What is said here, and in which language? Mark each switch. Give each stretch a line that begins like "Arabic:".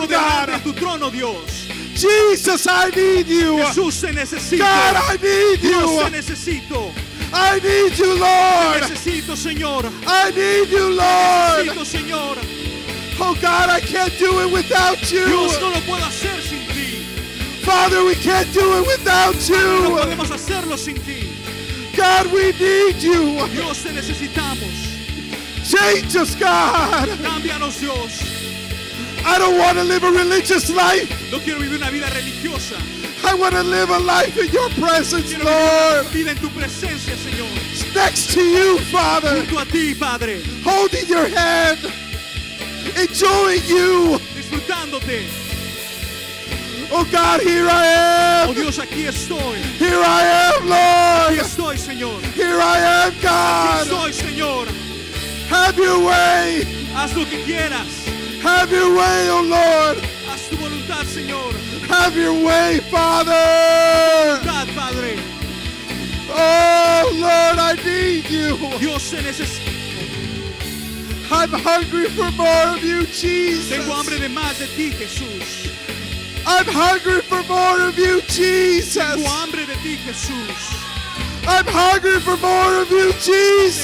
Spanish: pongo delante
English: God.
Spanish: De tu trono, Dios.
English: Jesus, I need you.
Spanish: Jesús, te necesito.
English: God, I need you.
Spanish: Dios, te necesito.
English: I need you, Lord.
Spanish: Necesito, Señor.
English: I need you, Lord.
Spanish: Necesito, Señor.
English: Oh God, I can't do it without you.
Spanish: Dios, no lo puedo hacer sin ti.
English: Father, we can't do it without you.
Spanish: No podemos hacerlo sin ti.
English: God, we need you.
Spanish: Dios, te necesitamos.
English: Change us, God.
Spanish: Cámbianos, Dios.
English: I don't want to live a religious life.
Spanish: No quiero vivir una vida religiosa.
English: I want to live a life in your presence, Lord.
Spanish: Vida en tu presencia, Señor.
English: Next to you, Father.
Spanish: Junto a ti, Padre.
English: Holding your hand. Enjoying you.
Spanish: Disfrutándote.
English: Oh God, here I am.
Spanish: Oh Dios, aquí estoy.
English: Here I am, Lord.
Spanish: Aquí estoy, Señor.
English: Here I am, God.
Spanish: Aquí estoy, Señor.
English: Have your way.
Spanish: Haz lo que quieras.
English: Have your way, oh Lord.
Spanish: Haz tu voluntad, Señor.
English: Have your way, Father.
Spanish: God, Padre.
English: Oh, Lord, I need you.
Spanish: Dios, te necesito.
English: I'm hungry for more of you, Jesus.
Spanish: Tengo hambre de más de ti, Jesús.
English: I'm hungry for more of you, Jesus.
Spanish: Tengo hambre de ti, Jesús.
English: I'm hungry for more of you, Jesus.